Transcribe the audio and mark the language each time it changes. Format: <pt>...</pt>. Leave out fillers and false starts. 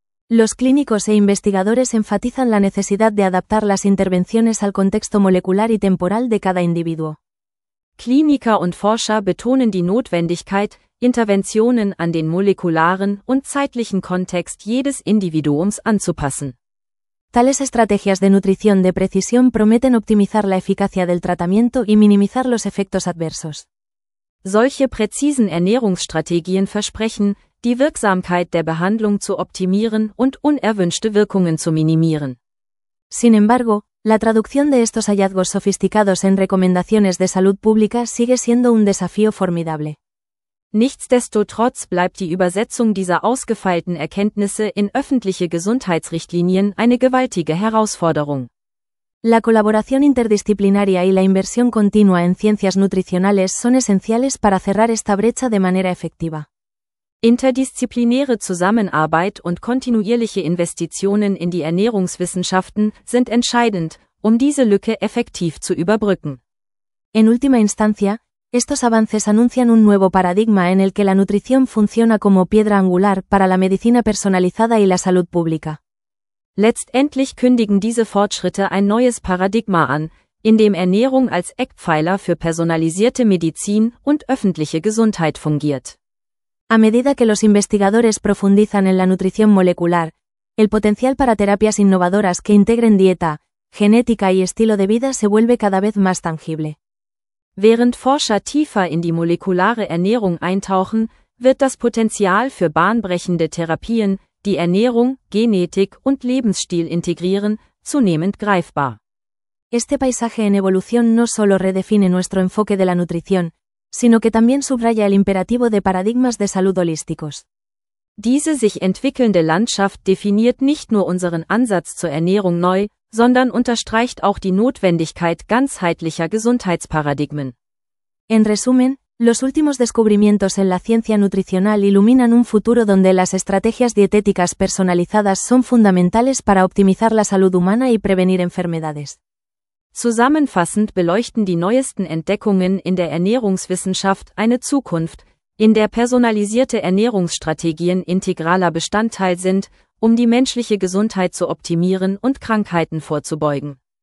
<es>Los clínicos e investigadores enfatizan la necesidad de adaptar las intervenciones al contexto molecular y temporal de cada individuo.</es> <de>Kliniker und Forscher betonen die Notwendigkeit, Interventionen an den molekularen und zeitlichen Kontext jedes Individuums anzupassen.</de> <es>Tales estrategias de nutrición de precisión prometen optimizar la eficacia del tratamiento y minimizar los efectos adversos.</es> <de>Solche präzisen Ernährungsstrategien versprechen, die Wirksamkeit der Behandlung zu optimieren und unerwünschte Wirkungen zu minimieren.</de> <es>Sin embargo, la traducción de estos hallazgos sofisticados en recomendaciones de salud pública sigue siendo un desafío formidable.</es> <de>Nichtsdestotrotz bleibt die Übersetzung dieser ausgefeilten Erkenntnisse in öffentliche Gesundheitsrichtlinien eine gewaltige Herausforderung.</de> <es>La colaboración interdisciplinaria y la inversión continua en ciencias nutricionales son esenciales para cerrar esta brecha de manera efectiva.</es> <de>Interdisziplinäre Zusammenarbeit und kontinuierliche Investitionen in die Ernährungswissenschaften sind entscheidend, um diese Lücke effektiv zu überbrücken.</de> <es>En última instancia, estos avances anuncian un nuevo paradigma en el que la nutrición funciona como piedra angular para la medicina personalizada y la salud pública.</es> <de>Letztendlich kündigen diese Fortschritte ein neues Paradigma an, in dem Ernährung als Eckpfeiler für personalisierte Medizin und öffentliche Gesundheit fungiert.</de> <es>A medida que los investigadores profundizan en la nutrición molecular, el potencial para terapias innovadoras que integren dieta, genética y estilo de vida se vuelve cada vez más tangible.</es> <de>Während Forscher tiefer in die molekulare Ernährung eintauchen, wird das Potenzial für bahnbrechende Therapien, die Ernährung, Genetik und Lebensstil integrieren, zunehmend greifbar.</de> <es>Este paisaje en evolución no solo redefine nuestro enfoque de la nutrición, sino que también subraya el imperativo de paradigmas de salud holísticos.</es> <de>Diese sich entwickelnde Landschaft definiert nicht nur unseren Ansatz zur Ernährung neu, sondern unterstreicht auch die Notwendigkeit ganzheitlicher Gesundheitsparadigmen.</de> <es>En resumen, los últimos descubrimientos en la ciencia nutricional iluminan un futuro donde las estrategias dietéticas personalizadas son fundamentales para optimizar la salud humana y prevenir enfermedades.</es> <de>Zusammenfassend beleuchten die neuesten Entdeckungen in der Ernährungswissenschaft eine Zukunft, in der personalisierte Ernährungsstrategien integraler Bestandteil sind, um die menschliche Gesundheit zu optimieren und Krankheiten vorzubeugen.</de>